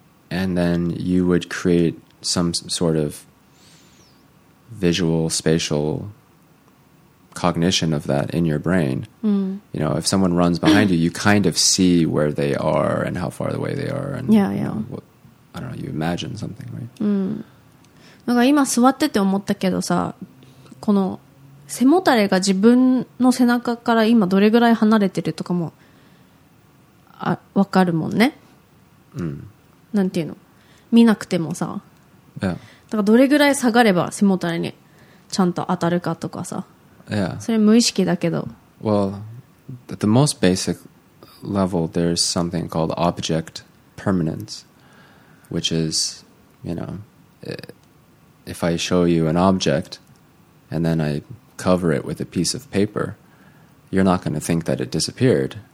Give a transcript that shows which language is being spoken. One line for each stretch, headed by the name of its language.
English: And then you would create some sort of visual spatial cognition of that in your brain. You know, if someone runs behind you, you kind of see where they are and how far away they are, and I don't know, you imagine something, right?
Japanese: なんか今座ってて思ったけどさ、この背もたれが自分の背中から今どれぐらい離れてるとかも、あ、わかるもんね。なんていうの、見なくてもさ、だからどれぐらい下がれば背もたれにちゃんと当たるかとかさ。
English: Yeah.
Japanese: それ無意識だけど。
English: Well, at the most basic level, there's something called object permanence, which is, you know, if I show you an object and then I cover it with a piece of paper, you're not going to think that it disappeared.